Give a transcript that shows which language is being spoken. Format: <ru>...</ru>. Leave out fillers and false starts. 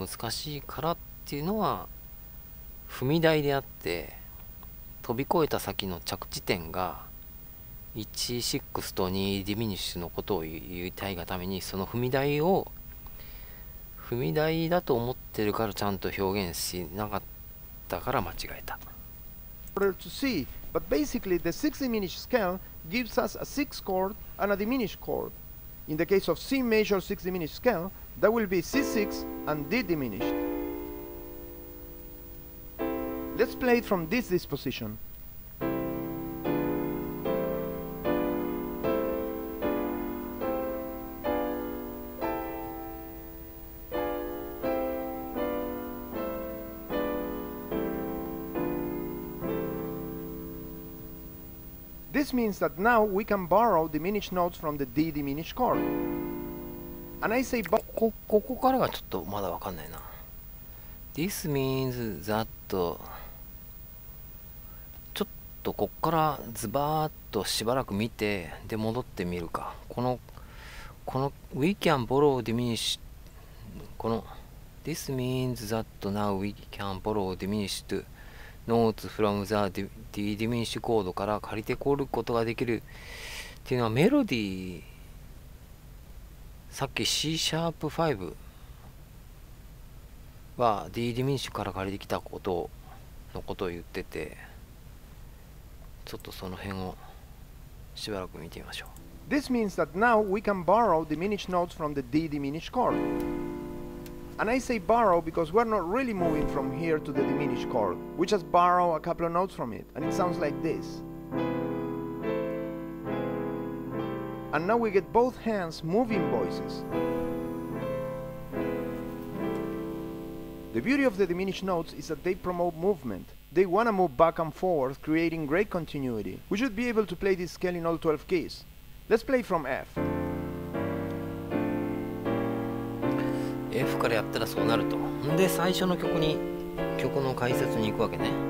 <ja>難しいからっていうのは踏み台であって、飛び越えた先の着地点が16と2ディミニッシュのことを言いたいがために、その踏み台を踏み台だと思ってるからちゃんと表現しなかったから間違えた。</ja> <en>Harder to see, but basically the 6 diminished scale gives us a 6 chord and a diminished chord. In the case of C major 6 diminished scale, that will be C6 and D diminished. Let's play it from this disposition. This means that now we can borrow diminished notes from the D diminished chord. And I say, but</en> <ja>ここからがちょっとまだわかんないな。</ja> <en>This means that、</en> <ja>ちょっとこっからズバーッとしばらく見てで戻ってみるか。この</ja> <en>We can borrow diminished、 この This means that now we can borrow diminished notes from the D diminished chord</en> <ja>から借りてこることができるっていうのは、メロディー、さっき C シャープ5 は D ディミニッシュから借りてきたことのことを言ってて、ちょっとその辺をしばらく見てみましょう。</ja> <en>This means that now we can borrow diminished notes from the D diminished chord. And I say borrow because we're not really moving from here to the diminished chord. We just borrow a couple of notes from it, and it sounds like this. And now we get both hands moving voices. The beauty of the diminished notes is that they promote movement. They want to move back and forth, creating great continuity. We should be able to play this scale in all 12 keys. Let's play from F.</en> <ja>F からやったらそうなると。で、最初の曲に、曲の解説に行くわけね。</ja>